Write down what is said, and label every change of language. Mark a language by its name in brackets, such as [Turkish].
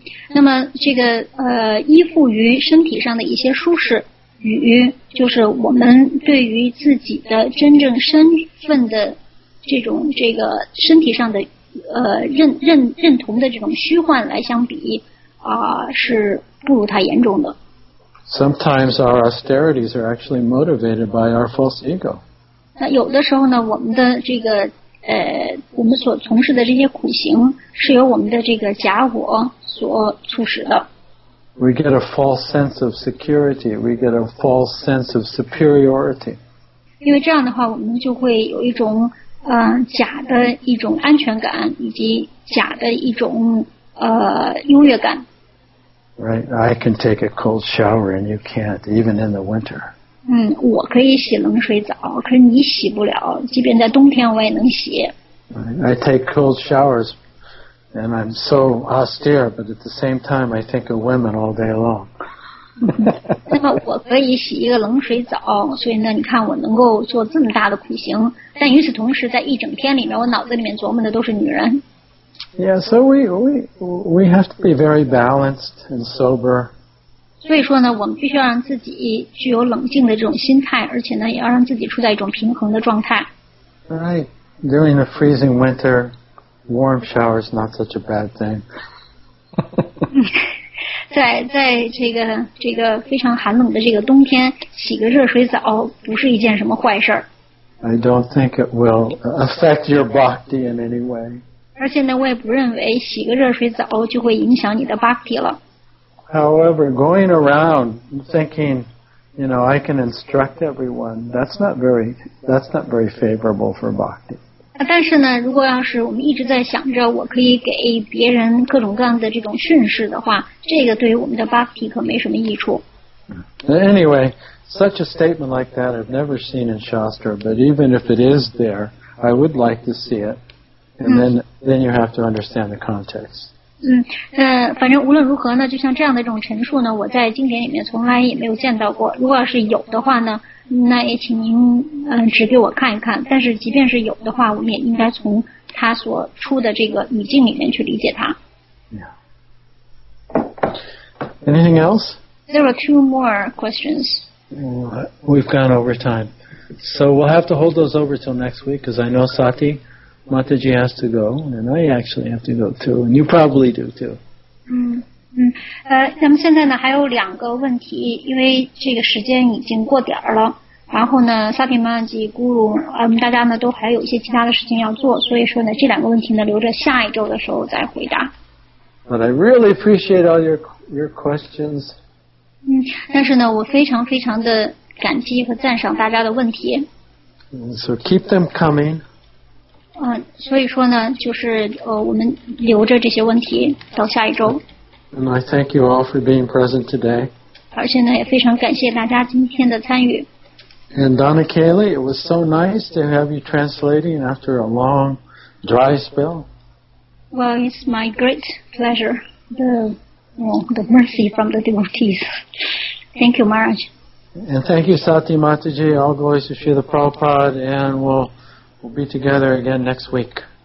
[Chinese] 那么这个依附于身体上的一些舒适与就是我们对于自己的真正身份的这种这个身体上的认同的这种虚幻来相比是不如它严重的。 [English] Sometimes our austerities are actually motivated by our false ego. [Chinese] 那有的时候呢，我们的这个我们所从事的这些苦行是由我们的这个假我所促使的。 [English] We get a false sense of security. We get a false sense of superiority. [Chinese] 因为这样的话，我们就会有一种假的一种安全感，以及假的一种优越感。 [English] Right, I can take a cold shower and you can't, even in the winter. [Chinese] 我可以洗冷水澡，可是你洗不了。即便在冬天，我也能洗。 [English] I take cold showers, and I'm so austere, but at the same time, I think of women all day long. [Chinese] 那么我可以洗一个冷水澡，所以呢，你看我能够做这么大的苦行，但与此同时，在一整天里面，我脑子里面琢磨的都是女人。 [English] Yeah, so we have to be very balanced and sober. [Chinese] 所以说呢，我们必须要让自己具有冷静的这种心态，而且呢，也要让自己处在一种平衡的状态。 [English] Right, during the freezing winter, warm shower is not such a bad thing. [Chinese] 在这个非常寒冷的这个冬天，洗个热水澡不是一件什么坏事儿。 [English] I don't think it will affect your bhakti in any way. [Chinese] 而且呢，我也不认为洗个热水澡就会影响你的 bhakti 了。 [English] However, going around thinking, you know, I can instruct everyone, that's not very favorable for bhakti. [Chinese] 但是呢，如果要是我们一直在想着我可以给别人各种各样的这种训示的话，这个对于我们的 bhakti 可没什么益处。 [English] Anyway, such a statement like that I've never seen in Shastra, but even if it is there, I would like to see it. And then you have to understand the context. [Chinese] 反正无论如何呢，就像这样的这种陈述呢，我在经典里面从来也没有见到过。如果要是有的话呢，那也请您指给我看一看。但是即便是有的话，我们也应该从他所出的这个语境里面去理解它。 [English] Yeah. Anything else? There are two more questions. We've gone over time. So we'll have to hold those over till next week because I know Sati, Mataji has to go, and I actually have to go too, and you probably do too. [Chinese] 咱们现在呢还有两个问题，因为这个时间已经过点了。然后呢，萨提曼吉咕噜，大家呢都还有一些其他的事情要做，所以说呢，这两个问题呢留着下一周的时候再回答。 [English] But I really appreciate all your questions. [Chinese] 但是呢，我非常非常的感激和赞赏大家的问题。 [English] So keep them coming. [Chinese] 所以说呢，就是我们留着这些问题到下一周。 [English] And I thank you all for being present today. [Chinese] 而且呢，也非常感谢大家今天的参与。 [English] And Donna Kaylee, it was so nice to have you translating after a long, dry spell. Well, it's my great pleasure. The mercy from the devotees. Thank you, Maharaj. And thank you, Sati Mataji, all glories to Srila Prabhupada, and we'll be together again next week.